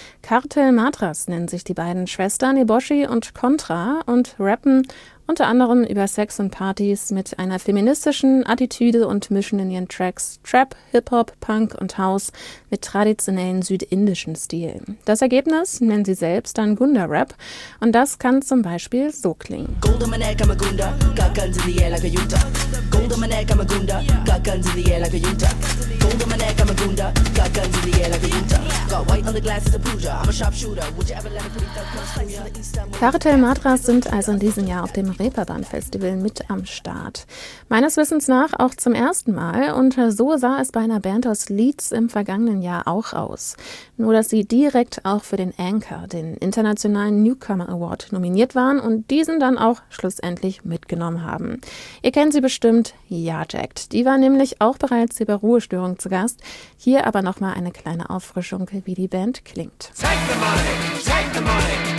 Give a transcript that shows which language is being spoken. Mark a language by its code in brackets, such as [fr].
[de] Cartel Matras nennen sich die beiden Schwestern Eboshi und Contra und rappen unter anderem über Sex und Partys mit einer feministischen Attitüde und mischen in ihren Tracks Trap, Hip-Hop, Punk und House mit traditionellen südindischen Stil. Das Ergebnis nennen sie selbst dann Gunda-Rap und das kann zum Beispiel so klingen. [en] Gold on my neck, I'm a Gunda, got guns in the air like a Utah. Gold on my neck, I'm a Gunda, got guns in the air like a Utah. Gold on my neck, I'm a Gunda, got guns in the air like a Utah. Got white on the glasses of Pooja, I'm a sharpshooter. Would you ever let me put it down? [de] Cartel Matras sind also in diesem Jahr auf dem Reeperbahn-Festival mit am Start. Meines Wissens nach auch zum ersten Mal und so sah es bei einer Band aus Leeds im vergangenen Jahr auch aus. Nur, dass sie direkt auch für den Anchor, den Internationalen Newcomer Award, nominiert waren und diesen dann auch schlussendlich mitgenommen haben. Ihr kennt sie bestimmt, Jarjacked. Die war nämlich auch bereits über Ruhestörung zu Gast. Hier aber nochmal eine kleine Auffrischung, wie die Band klingt. [en] Take the money, take the money.